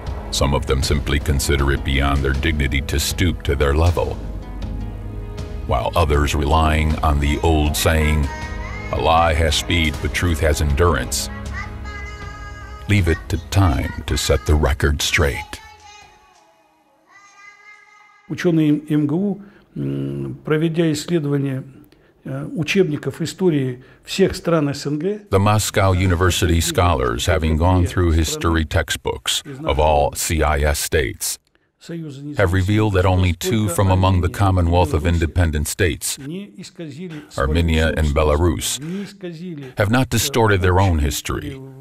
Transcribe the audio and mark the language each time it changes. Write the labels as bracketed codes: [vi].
[en] Some of them simply consider it beyond their dignity to stoop to their level, while others, relying on the old saying, "A lie has speed, but truth has endurance," leave it to time to set the record straight. [ru] Ученые МГУ, проведя исследование учебников истории всех стран СНГ, [en] the Moscow University scholars, having gone through history textbooks of all CIS states, have revealed that only two from among the Commonwealth of Independent States, Armenia and Belarus, have not distorted their own history.